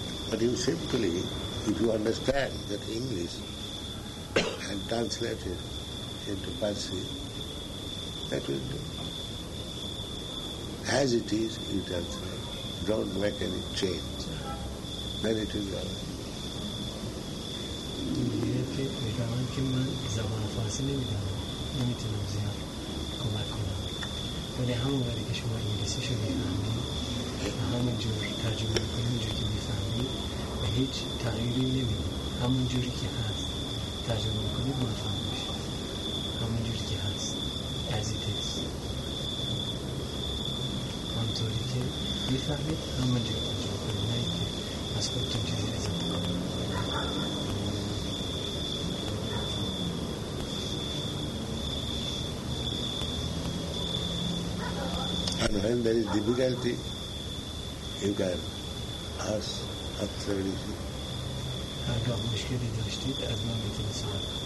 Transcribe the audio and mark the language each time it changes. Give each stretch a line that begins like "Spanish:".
English: But you simply, if you understand that English and translate it into Parsi, that will do. As it is, you translate. Don't make any change. Then it will be all right.
Persian: میتوان که من زبان فارسی نمیدونم، نمیتونم زیاد کمک کنم، ولی همون وقتی که شما انگلیسی شو بفهمید و همون جور ترجمه میکنید، همون جور که میفهمید و هیچ تغییری نمیدید، همون جوری که هست ترجمه میکنید موفق میشید، همون جوری که هست
English: as it is،
Persian: همونطوری که میفهمید همون جور ترجمه کنید، نه اینکه از خودتون چیزی ازم کنید.
English: And when there is difficulty, you can ask absolutely.
Persian: هر گاه مشکلی داشتید از من بتونید سوال.